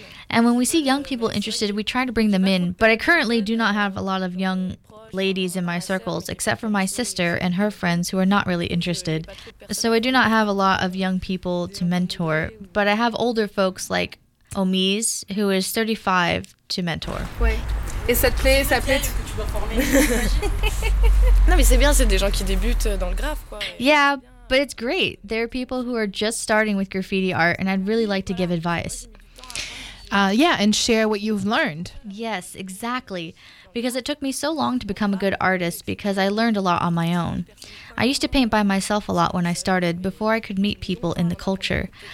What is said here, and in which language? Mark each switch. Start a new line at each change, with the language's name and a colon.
English: And when we see young people interested, we try to bring them in. But I currently do not have a lot of young ladies in my circles, except for my sister and her friends who are not really interested. So I do not have a lot of young people to mentor, but I have older folks like Omiz, who is 35, to mentor.
French: Ouais. Et ça te plaît, ça plaît. Non, mais c'est bien, c'est des gens qui débutent dans le graphe, quoi.
English: Yeah, but it's great. There are people who are just starting with graffiti art, and I'd really like to give advice. Yeah, and share what you've learned. Yes, exactly. Because it took me so long to become a good artist because I learned a lot on my own. I used to paint by myself a lot when I started, before I could meet people in the culture.